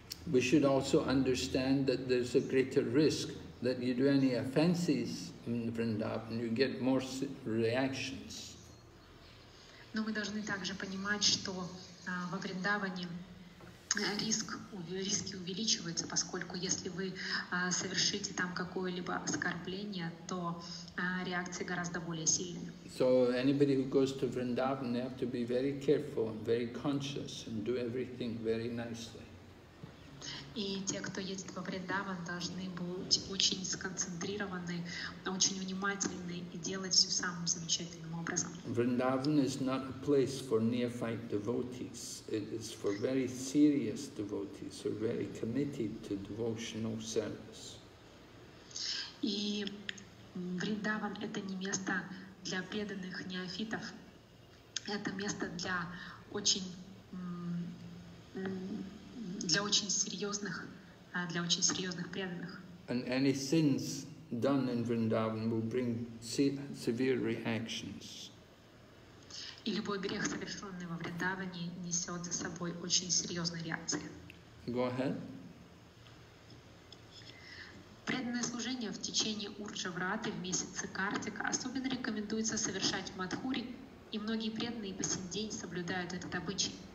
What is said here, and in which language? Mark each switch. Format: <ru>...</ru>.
<en>We should also understand that there's a greater risk that you do any offenses in Vrindavan, you get more reactions.</en> <ru>Но мы должны также понимать, что во Вриндаване риски увеличиваются, поскольку если вы совершите там какое-либо оскорбление, то реакции гораздо более сильные.</ru> <en>So anybody who goes to Vrindavan, they have to be very careful, very conscious, and do everything very nicely.</en> <ru>И те, кто едет во Вриндаван, должны быть очень сконцентрированы, очень внимательны и делать все самым замечательным образом.</ru> <en>Vrindavan is not a place for neophyte devotees. It is for very serious devotees who are very committed to devotional service.</en> <ru>И Вриндаван — это не место для преданных неофитов. Это место для очень серьезных преданных.</ru> <en>And any sins done in Vrindavan will bring severe reactions.</en> <ru>И любой грех, совершенный во Вриндаване, несет за собой очень серьезные реакции.</ru> <en>Go ahead.</en> <ru>Преданное служение в течение Урджавраты в месяце Картика особенно рекомендуется совершать в Мадхуре, и многие преданные по сей день соблюдают этот обычай.</ru>